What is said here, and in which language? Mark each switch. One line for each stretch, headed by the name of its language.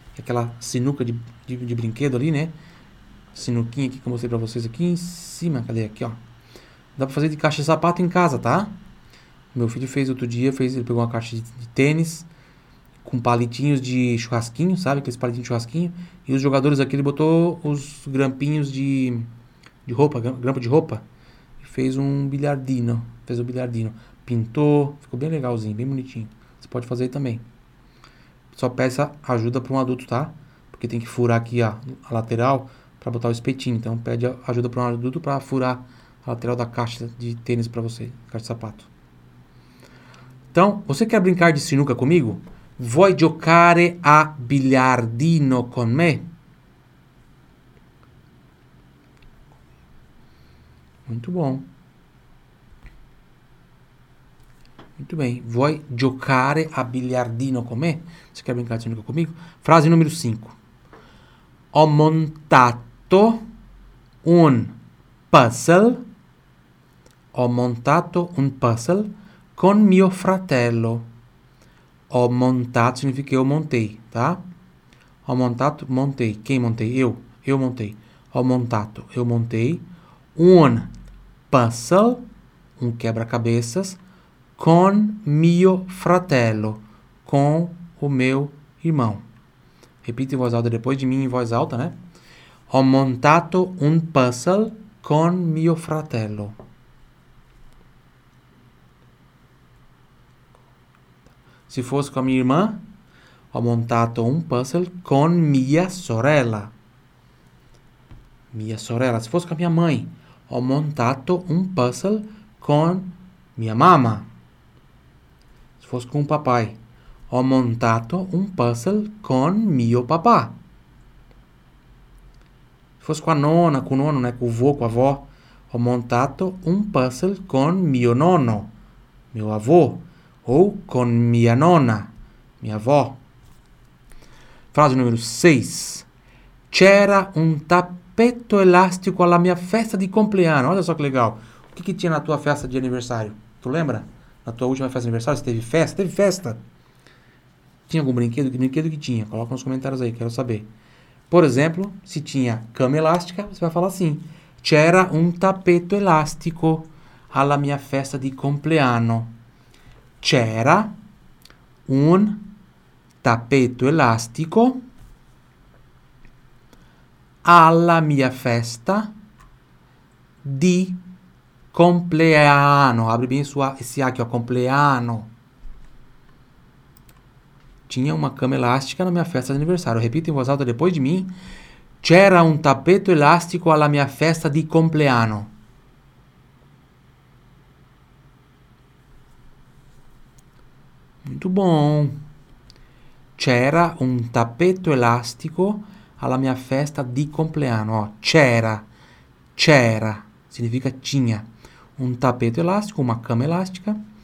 Portuguese: Aquela sinuca de brinquedo ali, né? Sinuquinha aqui que eu mostrei pra vocês aqui em cima. Cadê? Aqui, ó. Dá pra fazer de caixa de sapato em casa, tá? Meu filho fez outro dia, ele pegou uma caixa de tênis com palitinhos de churrasquinho, sabe? Aqueles palitinhos de churrasquinho. E os jogadores aqui, ele botou os grampinhos de roupa, grampo de roupa, e fez um bilhardino. Fez o bilhardino. Pintou, ficou bem legalzinho, bem bonitinho. Você pode fazer aí também. Só peça ajuda para um adulto, tá? Porque tem que furar aqui a lateral para botar o espetinho. Então pede ajuda para um adulto para furar a lateral da caixa de tênis para você, caixa de sapato. Então, você quer brincar de sinuca comigo?
Italian: Vuoi giocare a biliardino con me?
Portuguese: Muito bom. Muito bem.
Italian: Vuoi giocare a biliardino con me?
Portuguese: Você quer brincar de biliardino comigo? Frase número 5.
Italian: Ho montato un puzzle. Ho montato un puzzle con mio fratello. Ho montato
Portuguese: significa eu montei, tá? Ho montato, montei. Quem montei? Eu montei.
Italian: Ho montato,
Portuguese: eu montei.
Italian: Un puzzle,
Portuguese: um quebra-cabeças,
Italian: con mio fratello,
Portuguese: com o meu irmão. Repita em voz alta depois de mim, em voz alta, né?
Italian: Ho montato un puzzle con mio fratello.
Portuguese: Se fosse com a minha irmã,
Italian: ho montato un puzzle con mia sorella. Mia sorella,
Portuguese: se fosse com a minha mãe,
Italian: ho montato un puzzle con mia mamma.
Portuguese: Se fosse com o papai,
Italian: ho montato un puzzle con mio papà.
Portuguese: Se fosse com a nona, com o nono, né? Com o vô, com a avó,
Italian: ho montato un puzzle con mio nonno,
Portuguese: meu avô. Ou
Italian: con mia nonna,
Portuguese: minha avó. Frase número 6.
Italian: C'era un tappeto elástico alla mia festa di compleanno.
Portuguese: Olha só que legal. O que que tinha na tua festa de aniversário? Tu lembra? Na tua última festa de aniversário, você teve festa? Teve festa? Tinha algum brinquedo? Que brinquedo que tinha? Coloca nos comentários aí, quero saber. Por exemplo, se tinha cama elástica, você vai falar assim:
Italian: C'era un tappeto elástico alla mia festa di compleanno. C'era un tappeto elastico alla mia festa di compleanno.
Portuguese: Abre bem esse A aqui, ó.
Italian: Compleanno.
Portuguese: Tinha uma cama elástica na minha festa de aniversário. Repita em voz alta depois de mim.
Italian: C'era un tappeto elastico alla mia festa di compleanno.
Portuguese: Muito bom.
Italian: C'era un tappeto elastico alla mia festa di compleanno. C'era. C'era.
Portuguese: Significa tinha.
Italian: Un tappeto elastico,
Portuguese: uma cama elástica.